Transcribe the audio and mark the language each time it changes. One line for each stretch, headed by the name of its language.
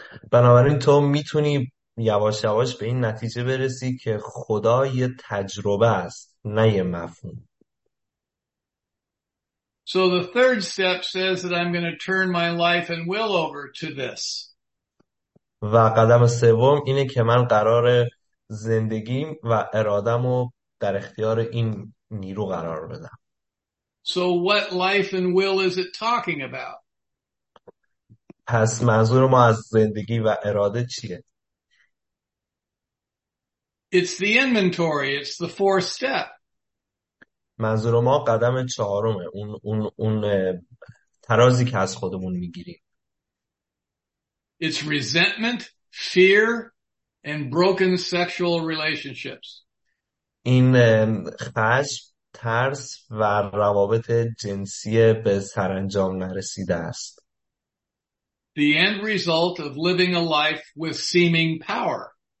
Persian: بنابراین تو میتونی یواش یواش به این نتیجه برسی که خدا یه تجربه است، نه یه مفهوم.
English: So the third step says that I'm going to turn my life and will over to this.
Persian: و قدم سوم اینه که من قرار زندگیم و ارادمو در اختیار این نیرو قرار بدم.
English: So what life and will is it talking about?
Persian: پس منظور ما از زندگی و اراده چیه؟
English: It's the inventory, it's the fourth step.
Persian: منظور ما قدم چهارمه، اون ترازی که از خودمون میگیریم.
English: It's resentment, fear and broken sexual relationships.
Persian: این خشم، ترس و روابط جنسی به سرانجام نرسیده است.
English: The end result of living a life with seeming power.